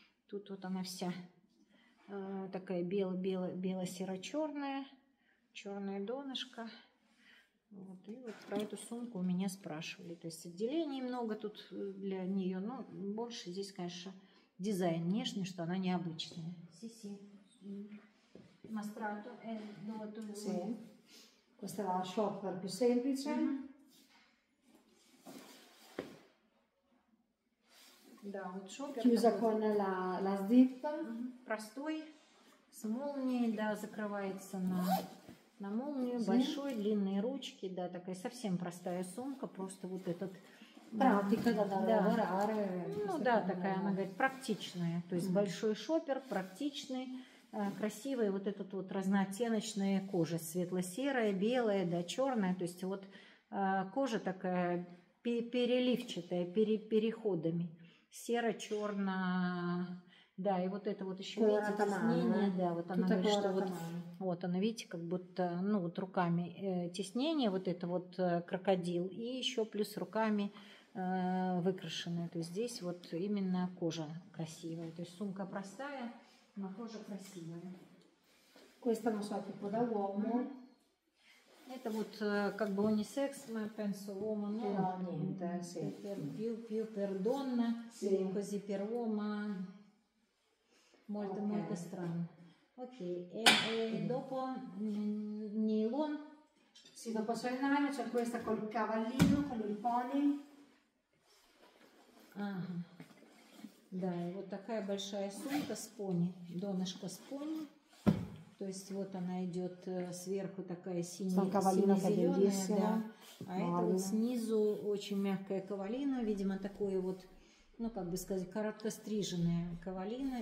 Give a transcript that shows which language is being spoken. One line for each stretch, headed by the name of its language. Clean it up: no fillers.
Russian: Тут вот она вся такая бело-серо-черная, черное донышко. Вот, и вот про эту сумку у меня спрашивали. То есть отделений много тут для нее, но больше здесь, конечно, дизайн внешний, что она необычная.
Italian: Sì, sì. Mostrato è dove tu lo sì. Questa è la shopper più semplice.
Russian: Da, вот shopper
Italian: chiusa con la zip.
Russian: Простой, с молнией, да, закрывается на молнию, большой, длинные ручки, да, такая совсем простая сумка, просто вот этот. Практика, да, лавараре. Ну да, такая, она говорит, практичная. То есть большой шопер, практичный, красивый. Вот этот вот разнооттеночная кожа. Светло-серая, белая, да, черная. То есть вот кожа такая переливчатая, переходами. Серо-черно. Да, и вот это вот еще, видите, теснение. Да, вот она говорит, что вот... Вот она, видите, как будто, ну вот руками теснение. Вот это вот крокодил. И еще плюс руками... выкрашенная, то есть здесь вот именно кожа красивая, то есть сумка простая, но кожа красивая.
Italian: Questa non so tipo da uomo.
Russian: Это вот как бы unisex,
Italian: ma penso uomo, no? No, niente, sì. Più per donna, sì. Così per uomo, molto, okay. Molto strano. Ok, e dopo nylon? Sì, dopo sul nylon c'è questa col cavallino, con il pony.
Russian: Ага. Да, и вот такая большая сумка с пони, донышко с пони. То есть вот она идет сверху такая сине-зеленая, да. А это вот снизу очень мягкая ковалина, видимо, такое вот, ну как бы сказать, короткостриженная ковалина.